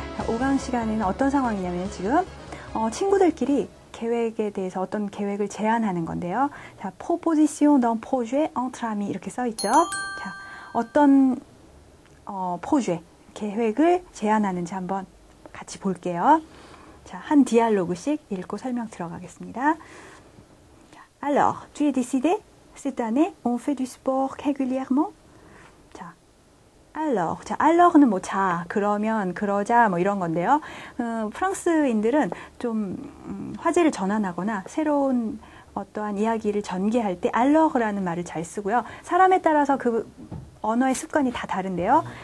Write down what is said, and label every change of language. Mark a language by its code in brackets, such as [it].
[ko] 5강 시간에는 어떤 상황이냐면 지금 친구들끼리 계획에 대해서 어떤 계획을 제안하는 건데요. 자, [fr] proposition d'un projet entre amis [ko] 이렇게 써 있죠. 자, 어떤 projet 계획을 제안하는지 한번 같이 볼게요. 자, 한 디알로그씩 읽고 설명 들어가겠습니다. [fr] Alors, tu es décidé? Cette année, on fait du sport régulièrement? [ko] Alors, 자, alors는 뭐 자, 그러면, 그러자 뭐 이런 건데요. 프랑스인들은 좀 화제를 전환하거나 새로운 어떠한 이야기를 전개할 때 alors라는 말을 잘 쓰고요. 사람에 따라서 그 언어의 습관이 다 다른데요.